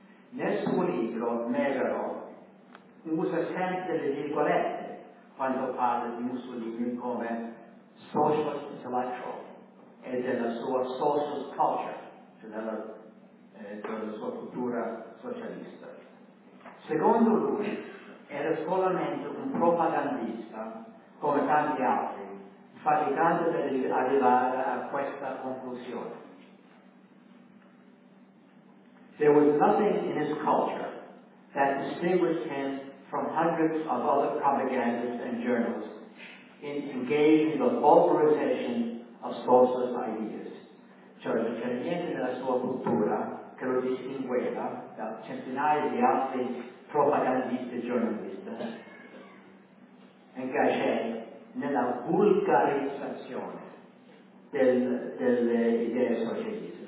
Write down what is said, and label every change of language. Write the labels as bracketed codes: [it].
[it] Nel suo libro, Megaro usa sempre le virgolette quando parla di Mussolini come [en] social intellectual [it] e della sua [en] social culture, [it] cioè della sua cultura socialista. Secondo lui era solamente un propagandista, come tanti altri, faticando per arrivare a questa conclusione. [en] There was nothing in his culture that distinguished him from hundreds of other propagandists and journals in engaging in the vulgarization of sources ideas. [it] Cioè non c'era niente nella sua cultura che lo distingueva da centinaia di altri propagandisti e giornalisti. Engagé nella vulgarizzazione delle idee socialiste.